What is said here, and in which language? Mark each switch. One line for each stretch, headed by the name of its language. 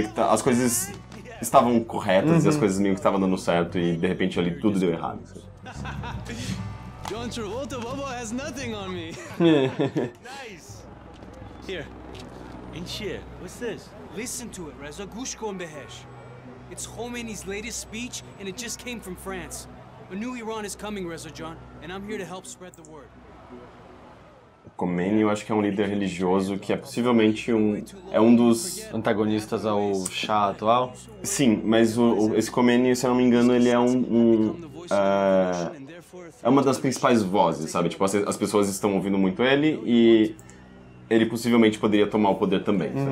Portuguese: As coisas estavam corretas, uhum, e as coisas meio que estavam dando certo, e de repente ali tudo deu errado.
English: John Travolta, Bobo has nothing on me. Nice. Here.
Persian: Inchia,
English: what's this? Listen to it, Reza. Gushko and Behesh. It's Khomeini's latest speech, and it just came from France. A new Iran is coming, Reza John, and I'm here to help spread the word.
Portuguese: Khomeini, eu acho que é um líder religioso que é possivelmente um dos antagonistas ao Shah atual. Sim, mas esse Khomeini, se eu não me engano, ele é é uma das principais vozes, sabe? Tipo, as pessoas estão ouvindo muito ele e... ele possivelmente poderia tomar o poder também.